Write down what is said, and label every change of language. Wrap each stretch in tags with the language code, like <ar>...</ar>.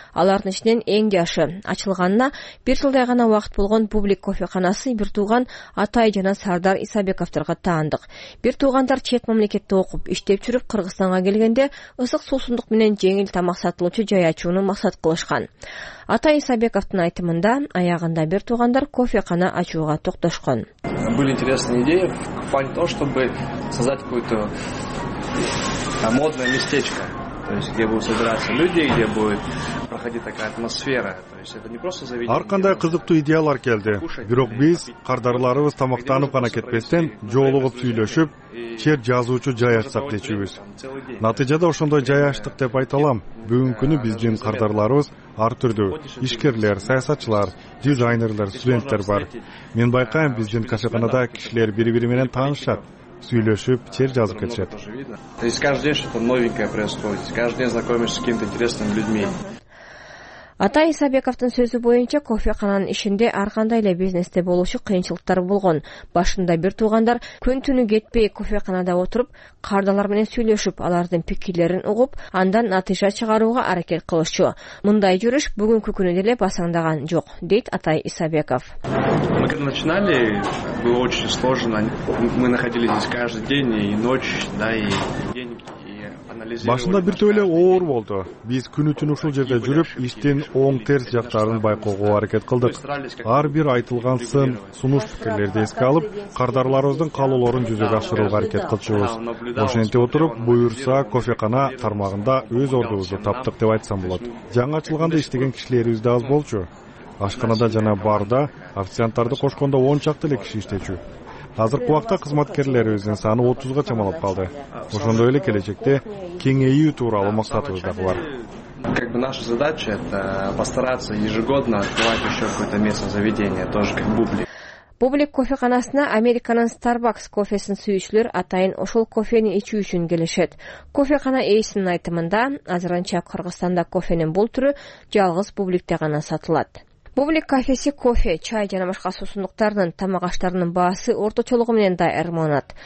<ky>Алардын ичинен эң жашы ачылганына бир жылдай гана убакыт болгон бублик кофе канасы бир тууган Атай жана Сардар Исабековдорго таандык. Бир туугандар мамлекетте окуп иштеп жүрүп Кыргызстанга келгенде ысык суусундук менен жеңил тамак сатылуучу жай ачууну максат кылышкан. Атай Исабековдун айтымында аягында бир туугандар кофе кана ачууга токтошкон.</ky> <ru>Были интересные идеи в плане того, чтобы создать какое-то модное местечко. То есть, где будут собираться люди, где будет проходить такая атмосфера. То есть, это не просто заведение.</ru> <ky>Ар кандай кызыктуу идеялар келди. Бирок биз кардарларыбыз тамактанып гана кетпестен, жолугуп сүйлөшүп, чер жазуучу жай ачсак дечүбүз. Натыйжада ошондой жай ачтык деп айта алам. Бүгүнкү күнү биздин кардарларыбыз ар түрдүү ишкерлер, саясатчылар, дизайнерлер, студенттер бар. Мен байкайм, биздин кафеканада кишилер бири-бири менен таанышат. Сүйлөшүп, чер жазып кетишет.</ky> <ru>То есть каждый день что-то новенькое происходит. Каждый день знакомишься с какими-то интересными людьми.</ru> <ky>Атай Исабековдун сөзү боюнча, кофе кананын ишинде ар кандай эле бизнесте болушу кыйынчылыктар болгон. Башында бир туугандар күн-түнү кетпей кофе канада отуруп, кардарлар менен сүйлөшүп, алардын пикирлерин угуп, андан натыйжа чыгарууга аракет кылышчу. Мындай жүрүш бүгүнкү күнү деле басаңдаган жок, дейт Атай Исабеков.</ky> <ru>Мы когда начинали, было очень сложно. Мы находились здесь каждый день и ночь, да, и день.</ru> <ky>Башында бир тобу эле оор болду. Биз күнү-түнү ушул жерде жүрүп, иштин оң терс жактарын байкоого аракет кылдык. Ар бир айтылган сын, сунуш пикирлерди эске алып, кардарларыбыздын каалоолорун жүзөгө ашырууга аракет кылчубуз. Ошентип отуруп, буюрса кофекана тармагында өз ордубузду таптык деп айтсам болот. Жаңы ачылганда иштеген кишилерибиз да аз болчу. Ашканада жана барда официанттарды кошкондо 10 чакты эле киши иштечү. Азыркы убакта кызматкерлерибиздин саны 30 чамалап калды. Ошондой эле келечекте кеңейүү тууралуу максатыбыз да бар.</ky> <ru>Как бы наша задача это постараться ежегодно открывать ещё какое-то место заведения, тоже как бублик.</ru> <ky>Бублик кофеканасына Американын Starbucks кофесин сүйүүчүлөр атайын ошол кофени ичүү үчүн келишет. Кофекана ээсинин айтымында, азырынча Кыргызстанда кофенин бул түрү жалгыз бубликте гана сатылат. Бублик кафеси кофе, чай жана башка суусундуктардын тамак аштарынын баасы орточолугу менен да айырмаланат.</ky>